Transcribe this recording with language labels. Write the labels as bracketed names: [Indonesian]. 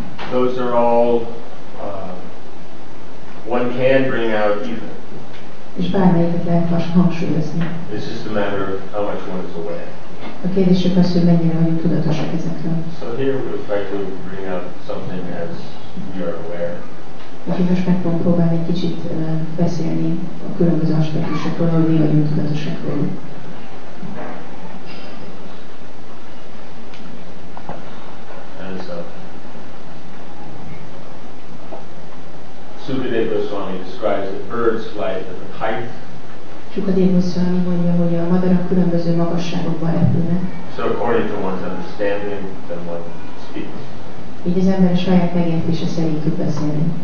[English] Those are all one can bring out either. [Hungarian] És bármelyiket lehet hangsúlyozni. [English] It's just a matter of how much one is aware. [Hungarian] A kérdés csak az, hogy mennyire vagyunk tudatosak ezekről. [English] So here we effectively bring out something as you are aware. [Hungarian] Úgyhogy most meg fogom próbálni egy kicsit beszélni a különböző aspektusokról, hogy mi vagyunk tudatosak róluk. [English] Sukadeva Goswami describes the birds fly at different height. [Hungarian] Sukadeva Goswami mondja, hogy a madarak különböző magasságokban repülnek. [English] So according to one's understanding, then one speaks. [Hungarian] Így az ember a saját megértése szerint tud beszélni.